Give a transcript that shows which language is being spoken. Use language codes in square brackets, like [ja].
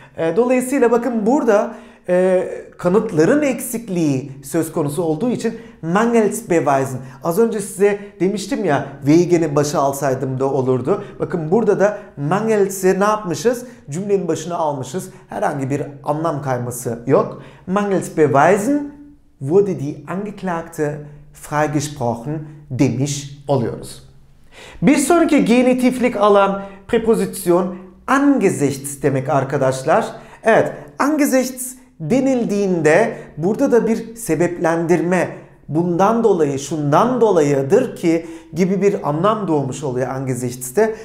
[tr] Dolayısıyla bakın burada kanıtların eksikliği söz konusu olduğu için Mangelsbeweisen. Az önce size demiştim ya Wegen'i başa alsaydım da olurdu. Bakın burada da Mangels'i ne yapmışız? Cümlenin başına almışız. Herhangi bir anlam kayması yok. [de] Mangelsbeweisen wurde die Angeklagte freigesprochen [tr] demiş oluyoruz. Bir sonraki genitiflik alan prepozisyon angesichts demek arkadaşlar. Evet, angesichts denildiğinde burada da bir sebeplendirme, bundan dolayı, şundan dolayıdır ki gibi bir anlam doğmuş oluyor angesichts'te.